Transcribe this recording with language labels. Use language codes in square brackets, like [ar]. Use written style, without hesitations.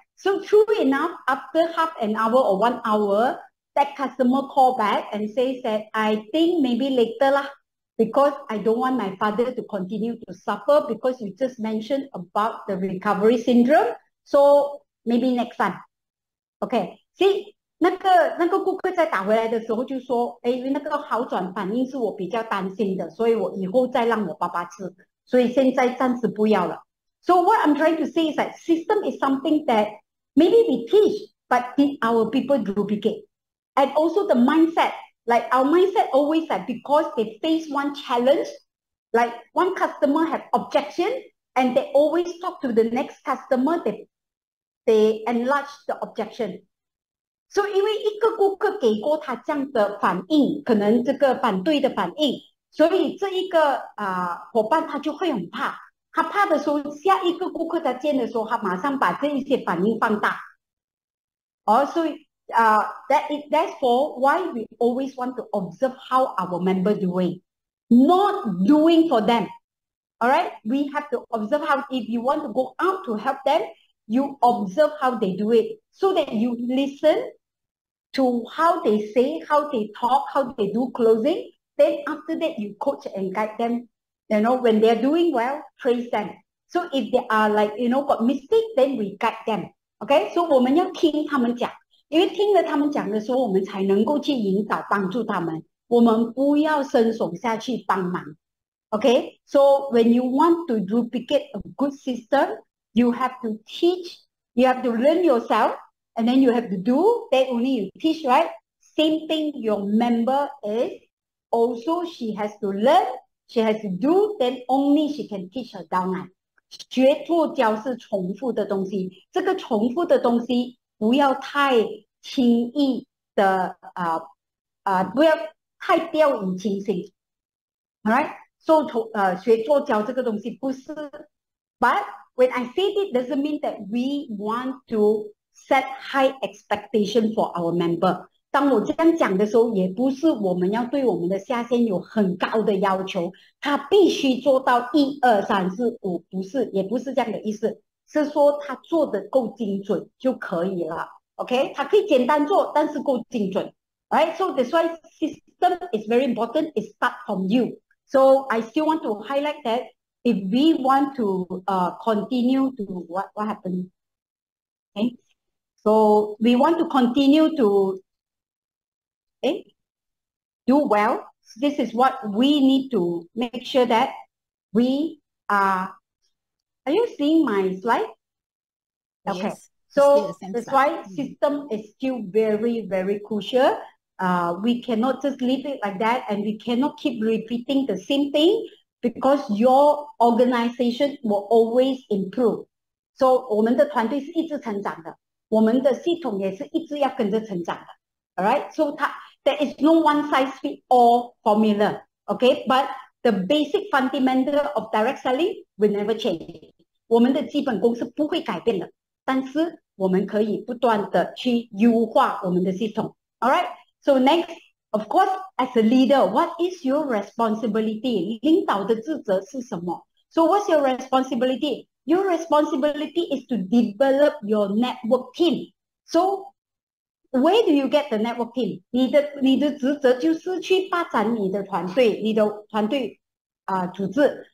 [en] So true enough, after half an hour or 1 hour, that customer call back and says that I think maybe later lah, because I don't want my father to continue to suffer because you just mentioned about the recovery syndrome. So maybe next time. [zh] Okay, see, 那个顾客在打回来的时候就说，哎，因为那个好转反应是我比较担心的，所以我以后再让我爸爸吃。所以现在暂时不要了。 [en] So what I'm trying to say is that system is something that maybe we teach, but did our people duplicate? And also the mindset, like our mindset always that because they face one challenge, like one customer have objection, and they always talk to the next customer, they enlarge the objection. [zh] So 因为一个顾客给过他这样的反应，可能这个反对的反应。所以这一个伙伴他就会很怕，他怕的时候，下一个顾客他见的时候，他马上把这一些反应放大。 [en] 所以that's for why we always want to observe how our member doing, not doing for them. All right, we have to observe how. If you want to go out to help them, you observe how they do it, so that you listen to how they say, how they talk, how they do closing. Then after that, you coach and guide them. You know, when they're doing well, praise them. So if they are like, you know, got mistake, then we guide them. [zh] Okay, so 我们要听他们讲，因为听了他们讲的时候，我们才能够去引导帮助他们。我们不要伸手下去帮忙。 [en] Okay, so when you want to duplicate a good system, you have to teach, you have to learn yourself, and then you have to do, then only you teach, right? Same thing your member is. Also, she has to learn, she has to do, then only she can teach her downline. [zh] 学做教是重复的东西，这个重复的东西不要太轻易的不要太掉以轻心。 [en] Alright, so [zh] 学做教这个东西不是 [en] ，but when I say it doesn't mean that we want to set high expectation for our member. [zh] 当我这样讲的时候，也不是我们要对我们的下线有很高的要求，他必须做到一二三四五，不是，也不是这样的意思，是说他做得够精准就可以了。 OK, 他可以简单做，但是够精准。 [en] Alright, so that's why system is very important. It starts from you. So I still want to highlight that if we want to continue to what happened. Okay, so we want to continue to. Do well. This is what we need to make sure that we are. Are you seeing my slide? Okay. Yes, so that's why system is still very, very crucial. We cannot just leave it like that, and we cannot keep repeating the same thing because your organization will always improve. [zh] So 我们的团队是一直成长的，我们的系统也是一直要跟着成长的。 [en] All right. So that. There is no one-size-fits-all formula, okay? But the basic fundamental of direct selling will never change. [zh] 我们的基本功是不会改变的，但是我们可以不断的去优化我们的系统。 [en] All right? So next, of course, as a leader, what is your responsibility? [zh] 领导的职责是什么？ [en] So what's your responsibility? Your responsibility is to develop your network team. So,Where do you get the network team? [zh] 你的职责就是去发展你的团队，你的团队组织。